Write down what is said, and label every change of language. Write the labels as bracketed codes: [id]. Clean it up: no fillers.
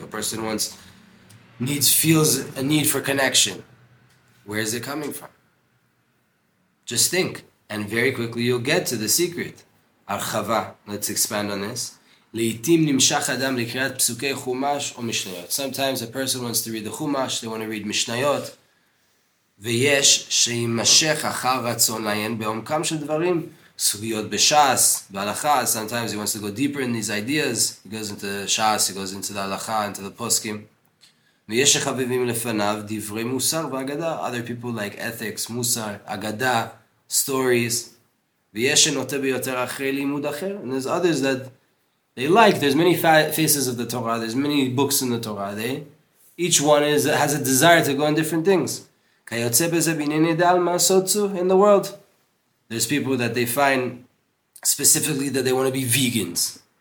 [en] A person feels a need for connection. Where is it coming from? Just think. And very quickly you'll get to the secret. Archava. Let's expand on this. Sometimes a person wants to read the Chumash. They want to read Mishnayot. [he] ויש שימשך אחר רצון לעיין בעומקם של דברים, סוגיות בשעס, בהלכה. [en] Sometimes he wants to go deeper in these ideas. He goes into the שעס, he goes into the הלכה, into the פוסקים. [he] ויש שחביבים לפניו דברי מוסר ואגדה. [en] Other people like ethics, מוסר, אגדה, stories. [he] ויש שנוטה ביותר אחרי לימוד אחר. [en] And there's others that they like. There's many faces of the Torah. There's many books in the Torah. Each one has a desire to go on different things. In the world, there's people that they find specifically that they want to be vegans.